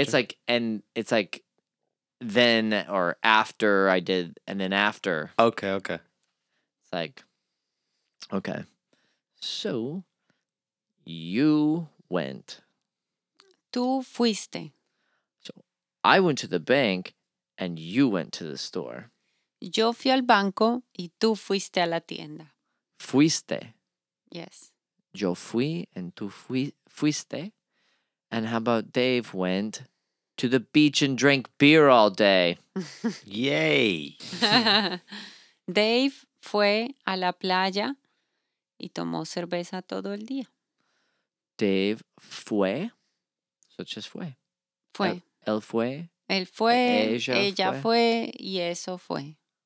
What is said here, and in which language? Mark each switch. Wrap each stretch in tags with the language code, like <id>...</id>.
<en>It's like, and it's like then or after I did, and then after. Okay, okay. It's like, okay. So you went.</en> <es>Tú fuiste.</es> <en>So I went to the bank and you went to the store.</en> <es>Yo fui al banco y tú fuiste a la tienda. Fuiste.</es> <en>Yes.</en> <es>Yo fui and tú fuiste.</es> <en>And how about Dave went to the beach and drank beer all day? Yay!</en> <es>Dave fue a la playa y tomó cerveza todo el día. Dave fue.</es> <en>So just</en> <es>fue. Fue. Él fue. Él fue. Ella fue. Y eso fue.</es>